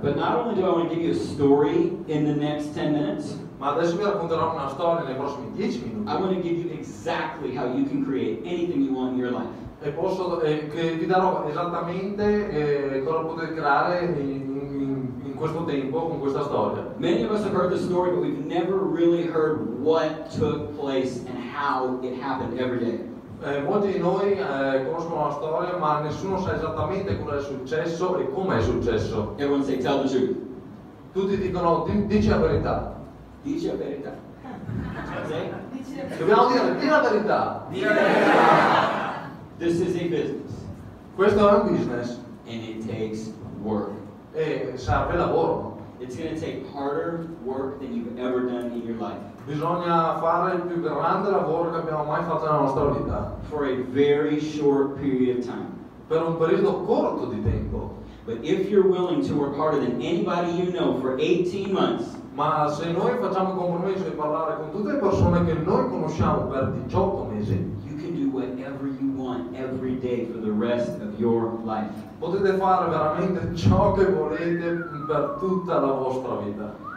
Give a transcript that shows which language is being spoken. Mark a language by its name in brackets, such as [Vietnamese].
[English] But not only do I want to give you a story in the next 10 minutes, [Italian] ma adesso vi racconterò una storia nei prossimi 10 minuti. [English] I want to give you exactly how you can create anything you want in your life. [Italian] E posso che vi darò esattamente cosa potete creare in questo tempo con questa storia. [English] Many of us have heard the story, but we've never really heard what took place and how it happened every day. [Italian] Molti di noi conoscono la storia, ma nessuno sa esattamente cosa è successo e come è successo. [English] Everyone say, tell the truth. [Italian] Tutti dicono, dici la verità. Dici la verità. Dobbiamo dire, dici la verità. Dici la verità. [English] This is a business. [Italian] Questo è un business. [English] And it takes work. [Italian] E serve lavoro. [English] It's going to take harder work than you've ever done in your life. [Italian] Bisogna fare il più grande lavoro che abbiamo mai fatto nella nostra vita. [English] For a very short period of time. [Italian] Per un periodo corto di tempo. [English] But if you're willing to work harder than anybody you know for 18 months. [Italian] Ma se noi facciamo compromesso di parlare con tutte le persone che noi conosciamo per 18 mesi. [English] You can do whatever you want every day for the rest of your life. [Italian] Potete fare veramente ciò che volete per tutta la vostra vita.